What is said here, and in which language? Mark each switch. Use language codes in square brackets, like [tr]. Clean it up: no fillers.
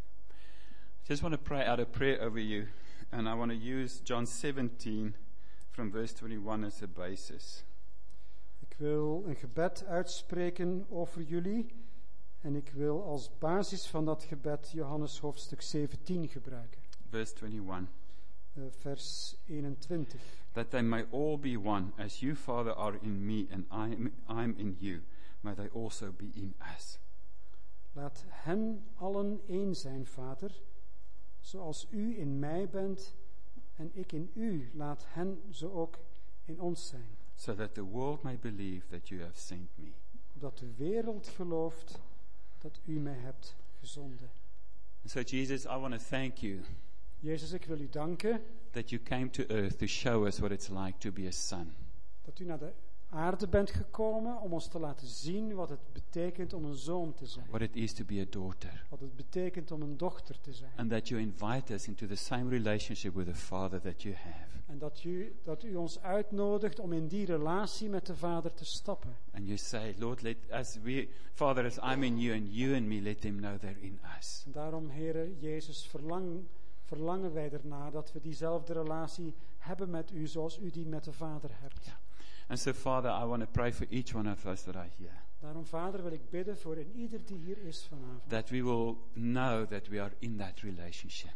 [en] I just want to pray out a prayer over you, and I want to use John 17 from verse 21 as a basis. [nl] Ik wil een gebed uitspreken over jullie, en ik wil als basis van dat gebed Johannes hoofdstuk 17 gebruiken. [en] Verse 21. [nl] Vers 21. [en] That they may all be one, as you, Father, are in me and I'm in you, may they also be in us. [nl] Laat hen allen één zijn, Vader, zoals u in mij bent en ik in u, laat hen zo ook in ons zijn. [en] So that the world may believe that you have sent me. [nl] Dat de wereld gelooft dat u mij hebt gezonden. [en] So Jesus, I want to thank you. [nl] Jezus, ik wil u danken. [en] That you came to earth to show us what it's like to be a son. [nl] Dat u naar de aarde bent gekomen om ons te laten zien wat het betekent om een zoon te zijn. [en] What it is to be a daughter. [nl] Wat het betekent om een dochter te zijn. [en] And that you invite us into the same relationship with the Father that you have. [nl] En dat u ons uitnodigt om in die relatie met de Vader te stappen. [en] And you say, Lord, let as we, Father, as I'm in you and you in me, let them know they're in us. [nl] En daarom, Heere Jezus, verlangen wij ernaar dat we diezelfde relatie hebben met u zoals u die met de Vader hebt. Ja. [en] And so Father, I want to pray for each one of us that are here. [nl] Daarom Vader wil ik bidden voor in ieder die hier is vanavond. [en] That we will know that we are in that relationship.